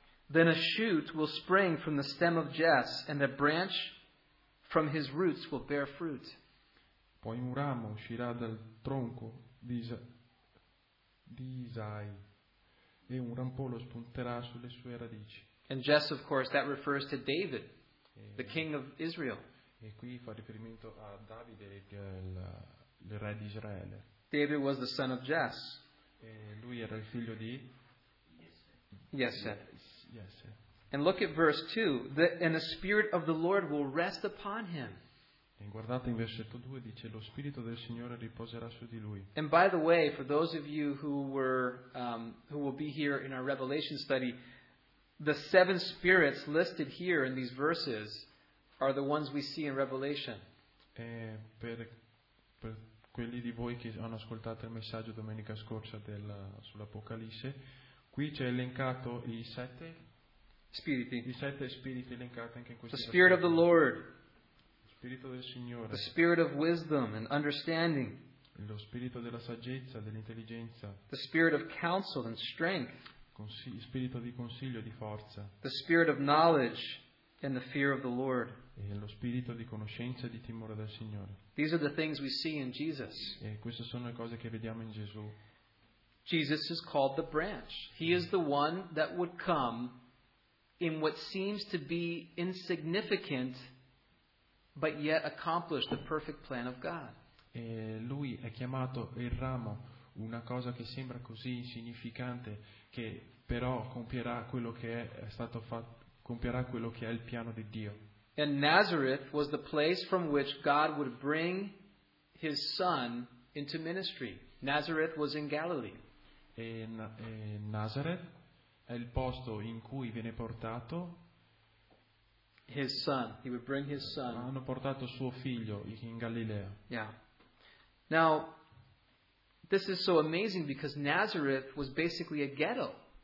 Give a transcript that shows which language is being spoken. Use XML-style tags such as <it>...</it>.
<en>Then a shoot will spring from the stem of Jesse, and a branch... from his roots will bear fruit.</en> <it>Poi un ramo uscirà dal tronco di Isai e un rampolo spunterà sulle sue radici.</it> <en>And Jesse, of course, that refers to David, the king of Israel.</en> <it>E qui fa riferimento a Davide, il re di Israele.</it> <en>David was the son of Jesse.</en> <it>E lui era il figlio di</it> <en>Jesse. And look at verse 2. And the Spirit of the Lord will rest upon him.</en> <it>E guardate in versetto 2, dice, lo Spirito del Signore riposerà su di lui.</it> <en>And by the way, for those of you who were who will be here in our Revelation study, the seven spirits listed here in these verses are the ones we see in Revelation.</en> <it>Per quelli di voi che hanno ascoltato il messaggio domenica scorsa sull'Apocalisse, qui c'è elencato i sette spiriti. I sette spiriti elencati anche in questo.</it> <en>The Spirit of the Lord.</en> <it>Lo Spirito del Signore.</it> <en>The Spirit of wisdom and understanding.</en> <it>Lo Spirito della saggezza, dell'intelligenza.</it> <en>The Spirit of counsel and strength.</en> <it>Spirito di consiglio, di forza.</it> <en>The Spirit of knowledge and the fear of the Lord.</en> <it>E lo spirito di conoscenza e di timore del Signore.</it> <en>These are the things we see in Jesus.</en> <it>E queste sono le cose che vediamo in Gesù.</it> <en>Jesus is called the branch. He is the one that would come in what seems to be insignificant, but yet accomplish the perfect plan of God.</en> <it>E lui è chiamato il ramo, una cosa che sembra così insignificante, che però compierà quello che è stato fatto, compierà quello che è il piano di Dio.</it> <en>And Nazareth was the place from which God would bring his son into ministry. Nazareth was in Galilee.</en> <it>E Nazareth è il posto in cui viene portato</it> <en>his son. He would bring his son.</en> <it>Hanno portato suo figlio in Galilea.</it> <en>Yeah. Now, this is so amazing because Nazareth was basically a ghetto.</en>